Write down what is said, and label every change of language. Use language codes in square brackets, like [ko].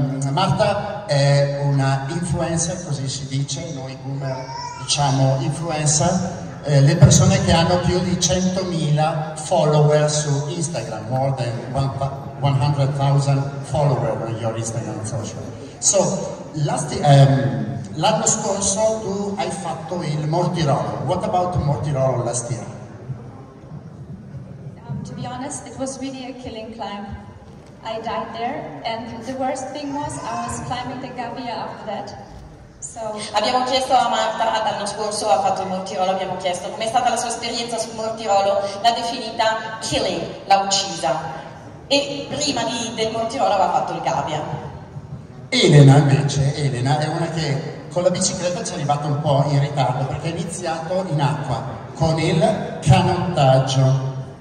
[it] Marta è una influencer, così si dice, noi boomer diciamo influencer, le persone che hanno più di 100.000 follower su Instagram, [en] more than 100,000 follower on your Instagram social. [it] So, l'anno scorso tu hai fatto il Mortirolo. [en] What about Mortirolo last year? To be honest, it was really a killing climb. I died there, and the worst thing was I was climbing the Gabbia after that. So, [it] abbiamo chiesto a Marta, l'anno scorso ha fatto il Mortirolo, abbiamo chiesto com'è stata la sua esperienza sul Mortirolo, l'ha definita killing, l'ha uccisa. E prima del Mortirolo aveva fatto il Gabbia. Elena invece, Elena è una che con la bicicletta ci è arrivata un po' in ritardo perché ha iniziato in acqua con il canottaggio.